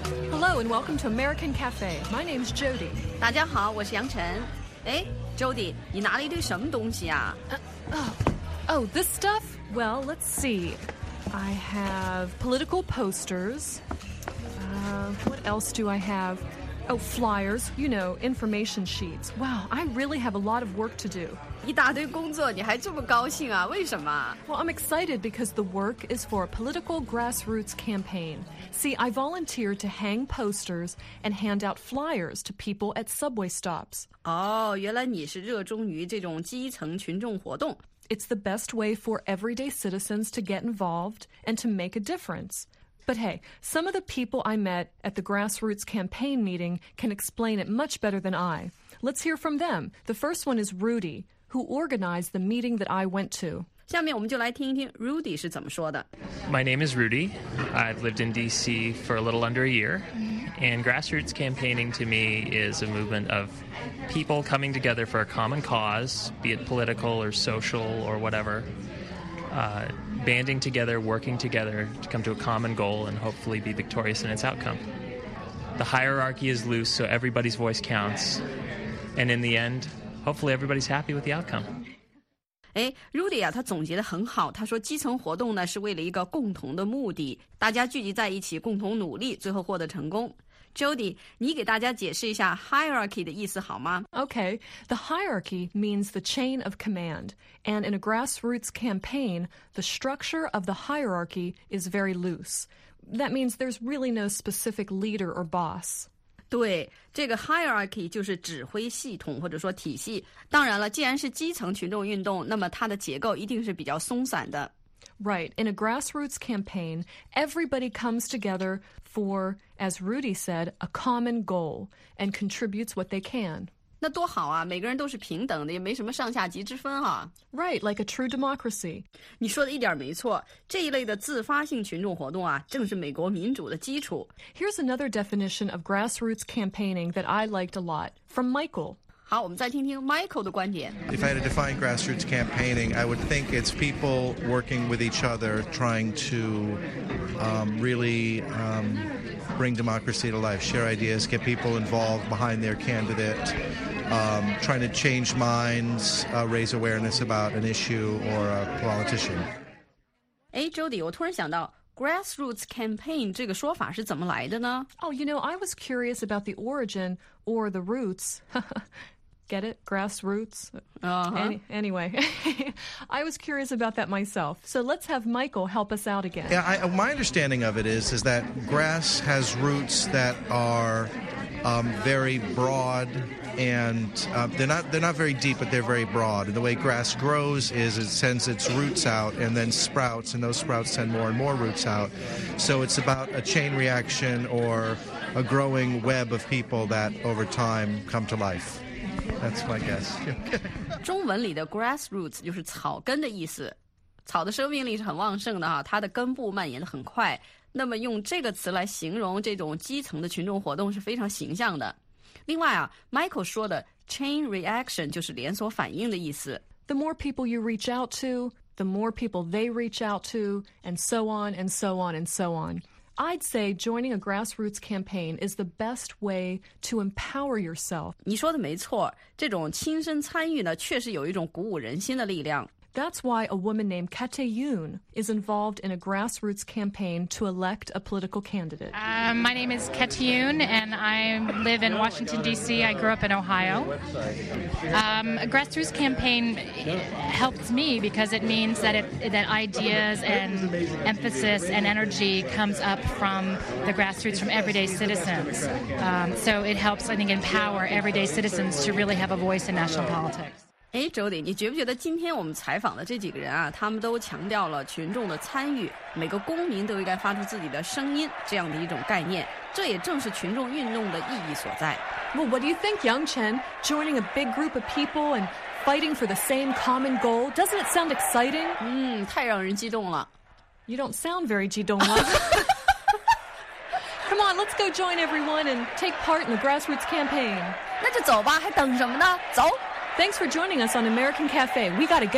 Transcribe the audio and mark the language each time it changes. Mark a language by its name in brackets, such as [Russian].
[English] Hello and welcome to American Cafe. My name is Jody. [Chinese] 大家好，我是杨晨。哎 ，Jody， 你拿了一堆什么东西啊 [English] ？Oh, this stuff. Well, let's see. I have political posters. What else do I have? Oh, flyers. You know, information sheets. Wow, I really have a lot of work to do. [Chinese] 一大堆工作，你还这么高兴啊？为什么 [English] ？Well, I'm excited because the work is for a political grassroots campaign. See, I volunteered to hang posters and hand out flyers to people at subway stops. [Chinese] Oh, 原来你是热衷于这种基层群众活动。 [English] It's the best way for everyday citizens to get involved and to make a difference. But hey, some of the people I met at the grassroots campaign meeting can explain it much better than I. Let's hear from them. The first one is Rudy, who organized the meeting that I went to. [Chinese] 下面我们就来听一听 Rudy 是怎么说的。 [English] My name is Rudy. I've lived in D.C. for a little under a year. And grassroots campaigning to me is a movement of people coming together for a common cause, be it political or social or whatever, banding together, working together to come to a common goal and hopefully be victorious in its outcome. The hierarchy is loose, so everybody's voice counts. And in the end, hopefully everybody's happy with the outcome. [Chinese] 哎 ，Rudy 啊，他总结得很好。他说，基层活动呢是为了一个共同的目的，大家聚集在一起，共同努力，最后获得成功。 Jody， 你给大家解释一下 hierarchy 的意思好吗 [English] ？Okay, the hierarchy means the chain of command, and in a grassroots campaign, the structure of the hierarchy is very loose. That means there's really no specific leader or boss. [Chinese] 对，这个 hierarchy 就是指挥系统或者说体系。当然了，既然是基层群众运动，那么它的结构一定是比较松散的。 [English] Right, in a grassroots campaign, everybody comes together for, as Rudy said, a common goal and contributes what they can. [Chinese] 那多好啊，每个人都是平等的，也没什么上下级之分啊。 [English] Right, like a true democracy. [Chinese] 你说的一点没错，这一类的自发性群众活动啊，正是美国民主的基础。 [English] Here's another definition of grassroots campaigning that I liked a lot, from Michael. [Chinese] 好，我们再听听 Michael 的观点。 [English] If I had to define grassroots campaigning, I would think it's people working with each other, trying to bring democracy to life, share ideas, get people involved behind their candidate, trying to change minds, raise awareness about an issue or a politician. [Chinese] Hey, Jody, 我突然想到 grassroots campaign 这个说法是怎么来的呢 [English] Oh, you know, I was curious about the origin or the roots. Get it? Grassroots? Anyway, I was curious about that myself. So let's have Michael help us out again. Yeah, my understanding of it is that grass has roots that are very broad and they're not very deep, but they're very broad. And the way grass grows is it sends its roots out and then sprouts, and those sprouts send more and more roots out. So it's about a chain reaction or a growing web of people that over time come to life. That's my guess. [Chinese] 中文里的 grassroots 就是草根的意思，草的生命力是很旺盛的哈，它的根部蔓延的很快。那么用这个词来形容这种基层的群众活动是非常形象的。另外啊 ，Michael 说的 chain reaction 就是连锁反应的意思。 [English] The more people you reach out to, the more people they reach out to, and so on and so on and so on. I'd say joining a grassroots campaign is the best way to empower yourself. [Chinese] 你说的没错，这种亲身参与呢，确实有一种鼓舞人心的力量。 [English] That's why a woman named Kate Yoon is involved in a grassroots campaign to elect a political candidate. My name is Kate Yoon, and I live in Washington, D.C. I grew up in Ohio. A grassroots campaign helps me because it means that, that ideas and emphasis and energy comes up from the grassroots, from everyday citizens. So it helps, I think, empower everyday citizens to really have a voice in national politics. [Chinese] 哎 ，Jody， 你觉不觉得今天我们采访的这几个人啊，他们都强调了群众的参与，每个公民都应该发出自己的声音这样的一种概念，这也正是群众运动的意义所在。 [English] Well, what do you think, Yang Chen? Joining a big group of people and fighting for the same common goal, doesn't it sound exciting? [Chinese] 嗯，太让人激动了。 [English] You don't sound very [Chinese] 激动了。 [English] Come on, let's go join everyone and take part in the grassroots campaign. [Chinese] 那就走吧，还等什么呢？走。 [English] Thanks for joining us on American Cafe. We gotta go.